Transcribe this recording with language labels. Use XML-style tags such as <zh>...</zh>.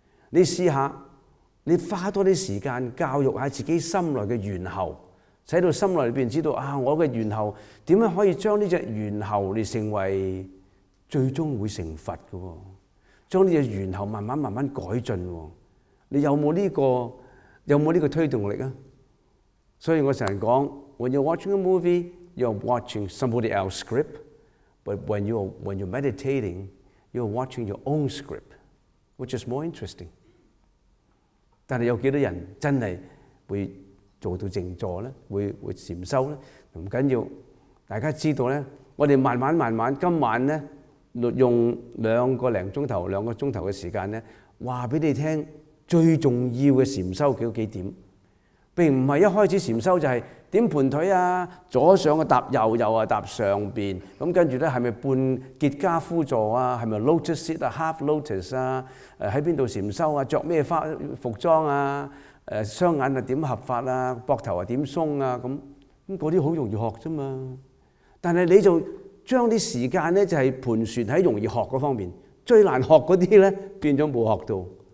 <yue>你試下，你花多啲時間教育下自己心內嘅猿猴，使到心內裏邊知道啊，我嘅猿猴點樣可以將呢只猿猴嚟成為最終會成佛嘅喎，將呢只猿猴慢慢慢慢改進喎。你有冇呢、這個有冇呢個推動力啊？所以我成日講</yue> <en>，when you're watching a movie, you're watching somebody else's script, but when you're meditating, you're watching your own script, which is more interesting。</en> <yue>但係有幾多人真係會做到靜坐咧？會禪修咧？唔緊要，大家知道咧，我哋慢慢慢慢，今晚咧用兩個鐘頭嘅時間咧，話俾你聽。最重要的禅修有几点，并不是一开始禅修就是点盘腿啊，左上啊搭右，右啊搭上边，咁跟住咧系咪半结跏趺坐啊，系咪 lotus sit 啊 ，half lotus 啊，喺边度禅修啊，着咩服装啊，双眼啊点合法啊，膊头啊点松啊，咁嗰啲好容易学啫嘛，但系你就将啲时间咧就系盘旋喺容易学嗰方面，最难学嗰啲咧变咗冇学到。</yue>